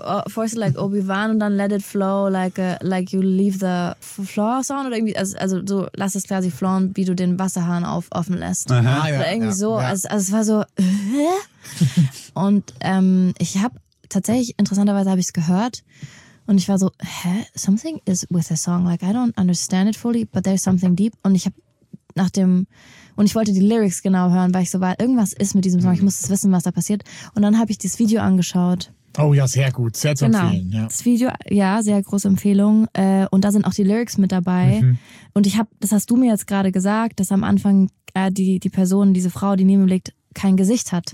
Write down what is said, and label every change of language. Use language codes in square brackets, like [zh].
[en] Force it like Obi-Wan [de] und dann [en] let it flow like you leave the floor sound [de] oder irgendwie, also so lass es quasi flowen, wie du den Wasserhahn offen lässt. Aha, oder ja, irgendwie ja, so. Ja. Also es war so und ich habe tatsächlich, interessanterweise habe ich es gehört und ich war so, hä? [en] Something is with the song, like I don't understand it fully, but there's something deep. [de] Und ich habe nach dem, und ich wollte die Lyrics genau hören, weil ich so war, irgendwas ist mit diesem Song, ich muss es wissen, was da passiert. Und dann habe ich das Video angeschaut. Oh ja, sehr gut, sehr zu empfehlen. Genau. Ja. Das Video, ja, sehr große Empfehlung. Und da sind auch die Lyrics mit dabei. Mhm. Und ich habe, das hast du mir jetzt gerade gesagt, dass am Anfang die Person, diese Frau, die neben ihm liegt, kein Gesicht hat.